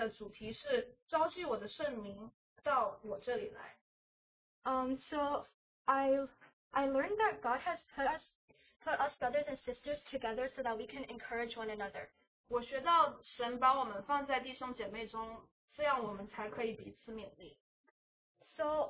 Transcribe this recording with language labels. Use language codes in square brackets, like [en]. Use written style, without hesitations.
[zh] 所以我这就是我的第二点。当时这个特会的主题是招聚我的圣民。 [en] So I learned that God has put us brothers and sisters together so that we can encourage one another. [zh] 我学到神把我们放在弟兄姐妹中，这样我们才可以彼此勉励。 [en] So